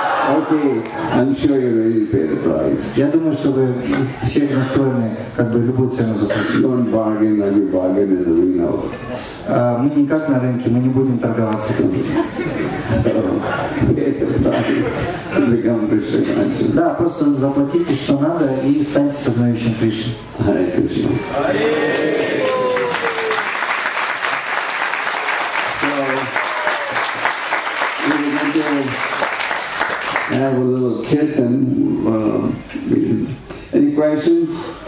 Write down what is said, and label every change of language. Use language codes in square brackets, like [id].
[en] Okay, I'm sure you're ready to pay the price. [ru] Я думаю, что вы все настроены как бы любую цену заплатить. [en] Don't bargain, and you bargain, and we know. [ru] Мы никак на рынке, мы не будем торговаться. [en] So, pay the price and become Krishna conscious. [ru] Да, просто заплатите, что надо, и станьте сознающим Кришной. [en] Hare Krishna. I have a little kirtan. Any questions?